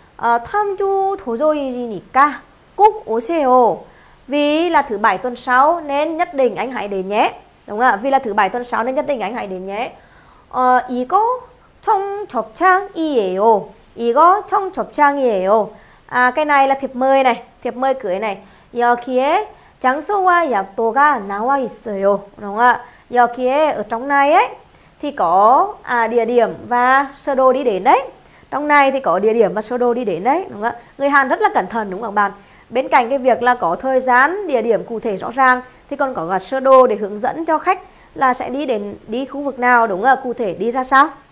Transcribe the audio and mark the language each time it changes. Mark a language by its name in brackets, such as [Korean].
[Korean] 다음 주 토요일이니까 꼭 오세요. [Vietnamese] Vì là thứ bảy tuần sau nên nhất định anh hãy đến nhé. Đúng không ạ? Vì là thứ bảy tuần sau nên nhất định anh hãy đến nhé. [Korean] 이거 청첩장이에요. 이거 청첩장이에요. [Vietnamese] À, cái này là thiệp mời này, thiệp mời cưới này. [Korean] 여기에 장소와 약도가 나와 있어요. [Vietnamese] Đúng không ạ? 여기에 ở trong này ấy thì có địa điểm và sơ đồ đi đến đấy. Trong này thì có địa điểm và sơ đồ đi đến đấy, đúng không ạ? Người Hàn rất là cẩn thận đúng không các bạn? Bên cạnh cái việc là có thời gian, địa điểm cụ thể rõ ràng thì còn có cả sơ đồ để hướng dẫn cho khách là sẽ đi đến đi khu vực nào, đúng không ạ, cụ thể đi ra sao.